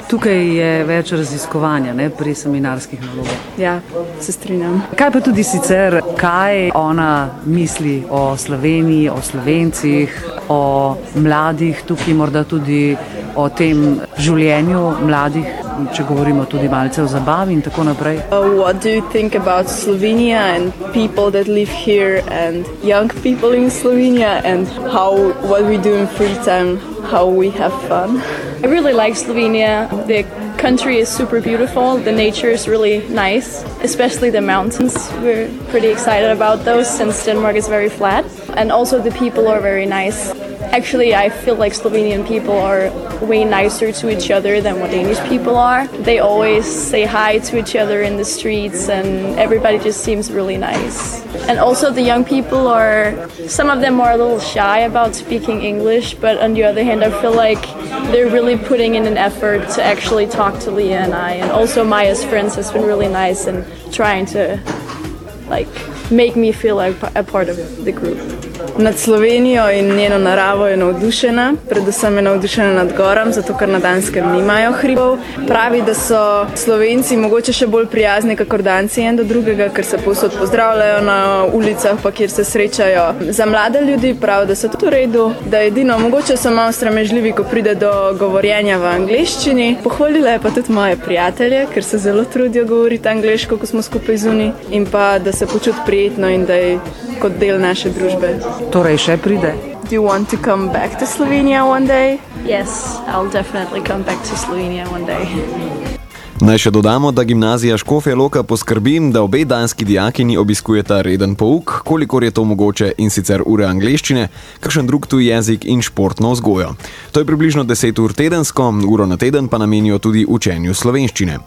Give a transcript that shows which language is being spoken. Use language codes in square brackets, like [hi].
[sl] Tukaj je več raziskovanja, ne, pri seminarskih nalogah. Ja, se strinjam. Kaj pa tudi sicer, kaj ona misli o Sloveniji, o Slovencih, o mladih, tukaj morda tudi o tem življenju mladih, če govorimo tudi malce o zabavi in tako naprej. [en] What do you think about Slovenia and people that live here and young people in Slovenia and how what we do in free time, how we have fun? I really like Slovenia. The country is super beautiful. The nature is really nice, especially the mountains. We're pretty excited about those since Denmark is very flat. And also the people are very nice. Actually, I feel like Slovenian people are way nicer to each other than what Danish people are. They always say hi to each other in the streets and everybody just seems really nice. And also the young people are, some of them are a little shy about speaking English, but on the other hand, I feel like they're really putting in an effort to actually talk to Leah and I. And also Maya's friends has been really nice and trying to make me feel like a part of the group. [sl] Nad Slovenijo in njeno naravo je navdušena, predvsem je navdušena nad gorami, zato ker na Danskem nimajo hribov. Pravi, da so Slovenci mogoče še bolj prijazni kakor Danci en do drugega, ker se povsod pozdravljajo na ulicah, pa kjer se srečajo. Za mlade ljudi pravi, da so tudi v redu, da edino mogoče so malo sramežljivi, ko pride do govorjenja v angleščini. Pohvalila je pa tudi moje prijatelje, ker se zelo trudijo govoriti angleško, ko smo skupaj zuni, in pa da se počuti prijetno in da je kot del naše družbe. Torej še pride. [en] Do you want to come back to Slovenia one day? Yes, I'll definitely come back to Slovenia one day. [sl] Naj še dodamo, da gimnazija Škofja Loka poskrbi, da obe danski dijakini obiskujeta reden pouk, kolikor je to mogoče, in sicer ure angleščine, kakšen drug tuj jezik in športno vzgojo. To je približno 10 ur tedensko, uro na teden pa namenijo tudi učenju slovenščine.